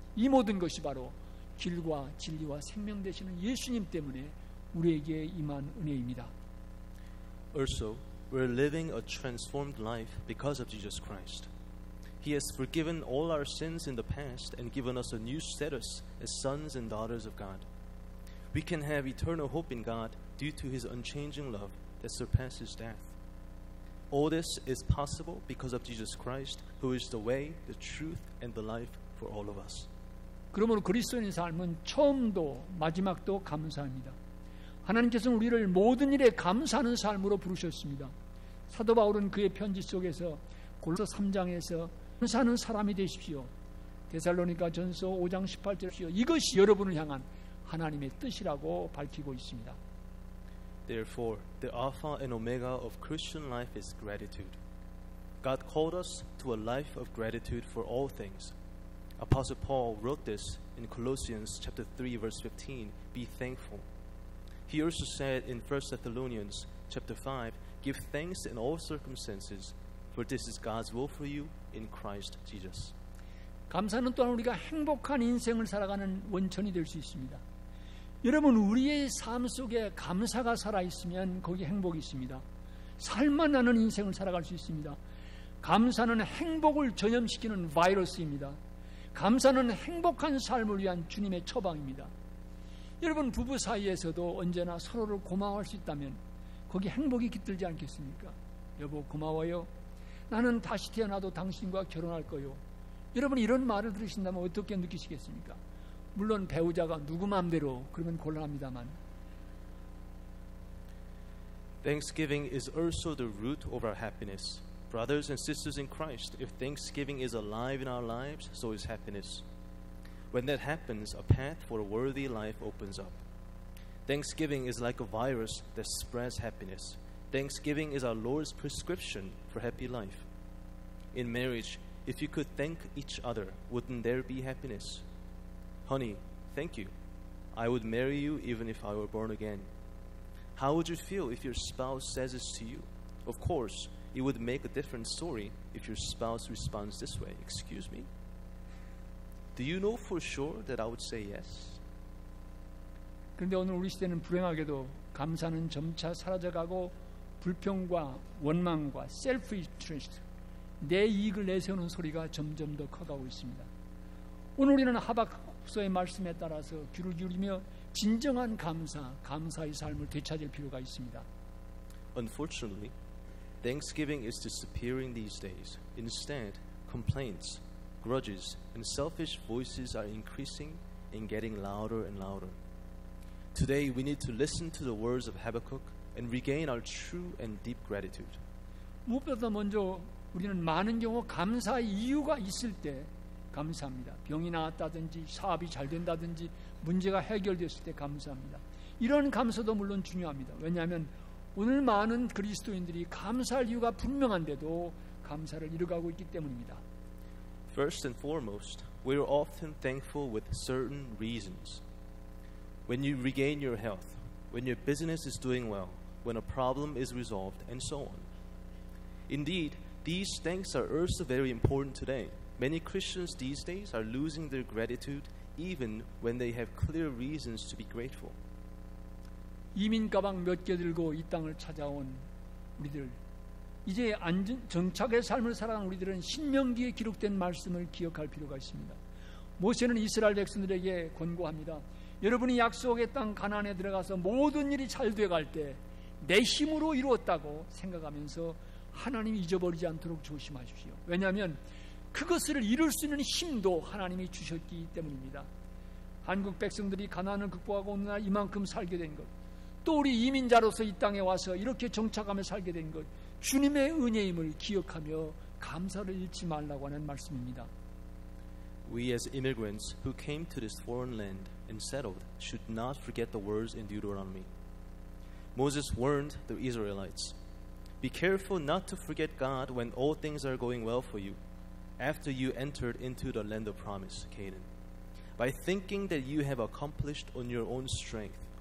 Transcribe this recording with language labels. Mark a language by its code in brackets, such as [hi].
[ko] 이 모든 것이 바로 길과 진리와 생명 되시는 예수님 때문에 우리에게 임한 은혜입니다. [en] Also, we're living a transformed life because of Jesus Christ. He has forgiven all our sins in the past and given us a new status as sons and daughters of God. We can have eternal hope in God due to his unchanging love that surpasses death. All this is possible because of Jesus Christ, who is the way, the truth, and the life for all of us. [ko] 그러므로 그리스도인의 삶은 처음도 마지막도 감사합니다. 하나님께서는 우리를 모든 일에 감사하는 삶으로 부르셨습니다. 사도 바울은 그의 편지 속에서 골로새 3장에서 감사하는 사람이 되십시오. 데살로니가 전서 5장 18절이요. 이것이 여러분을 향한 하나님의 뜻이라고 밝히고 있습니다. [en] Therefore, the Alpha and Omega of Christian life is gratitude. God called us to a life of gratitude for all things. Apostle Paul wrote this in Colossians chapter 3 verse 15, be thankful. He also said in 1 Thessalonians chapter 5, give thanks in all circumstances, for this is God's will for you in Christ Jesus. [ko] 감사는 또한 우리가 행복한 인생을 살아가는 원천이 될 수 있습니다. 여러분, 우리의 삶 속에 감사가 살아 있으면 거기 행복이 있습니다. 살맛 나는 인생을 살아갈 수 있습니다. 감사는 행복을 전염시키는 바이러스입니다. 감사는 행복한 삶을 위한 주님의 처방입니다. 여러분, 부부 사이에서도 언제나 서로를 고마워할 수 있다면 거기 행복이 깃들지 않겠습니까? 여보 고마워요. 나는 다시 태어나도 당신과 결혼할 거요. 여러분, 이런 말을 들으신다면 어떻게 느끼시겠습니까? 물론 배우자가 누구 마음대로 그러면 곤란합니다만. [en] Thanksgiving is also the root of our happiness. Brothers and sisters in Christ, if thanksgiving is alive in our lives, so is happiness. When that happens, a path for a worthy life opens up. Thanksgiving is like a virus that spreads happiness. Thanksgiving is our Lord's prescription for happy life. in marriage, if you could thank each other, wouldn't there be happiness? Honey, thank you. I would marry you even if I were born again. How would you feel if your spouse says this to you? Of course, it would make a different story if your spouse responds this way. Excuse me? Do you know for sure that I would say yes? [ko] 그런데 오늘 우리 시대는 불행하게도 감사는 점차 사라져가고 불평과 원망과 셀프 인터레스트, 내 이익을 내세우는 소리가 점점 더 커가고 있습니다. 오늘 우리는 하박국서의 말씀에 따라서 귀를 기울이며 진정한 감사, 감사의 삶을 되찾을 필요가 있습니다. [en] Unfortunately, Thanksgiving is disappearing these days. Instead, complaints, grudges, and selfish voices are increasing and getting louder and louder. Today, we need to listen to the words of Habakkuk and regain our true and deep gratitude. [ko] 무엇보다 먼저 우리는 많은 경우 감사의 이유가 있을 때 감사합니다. 병이 나았다든지 사업이 잘 된다든지 문제가 해결됐을 때 감사합니다. 이런 감사도 물론 중요합니다. 왜냐하면 오늘 많은 그리스도인들이 감사할 이유가 분명한데도 감사를 잃어가고 있기 때문입니다. [en] First and foremost, we are often thankful with certain reasons. When you regain your health, when your business is doing well, when a problem is resolved, and so on. Indeed, these thanks are also very important today. Many Christians these days are losing their gratitude even when they have clear reasons to be grateful. [ko] 이민 가방 몇 개 들고 이 땅을 찾아온 우리들, 이제 안전 정착의 삶을 살아간 우리들은 신명기에 기록된 말씀을 기억할 필요가 있습니다. 모세는 이스라엘 백성들에게 권고합니다. 여러분이 약속의 땅 가나안에 들어가서 모든 일이 잘 돼갈 때 내 힘으로 이루었다고 생각하면서 하나님 잊어버리지 않도록 조심하십시오. 왜냐하면 그것을 이룰 수 있는 힘도 하나님이 주셨기 때문입니다. 한국 백성들이 가난을 극복하고 오늘날 이만큼 살게 된 것, 또 우리 이민자로서 이 땅에 와서 이렇게 정착하며 살게 된 것, 주님의 은혜임을 기억하며 감사를 잃지 말라고 하는 말씀입니다. [en] We as immigrants who came to this foreign land and settled should not forget the words in Deuteronomy. Moses warned the Israelites, Be careful not to forget God when all things are going well for you. After you entered into the land of promise, Canaan, by thinking that you have accomplished on your own strength.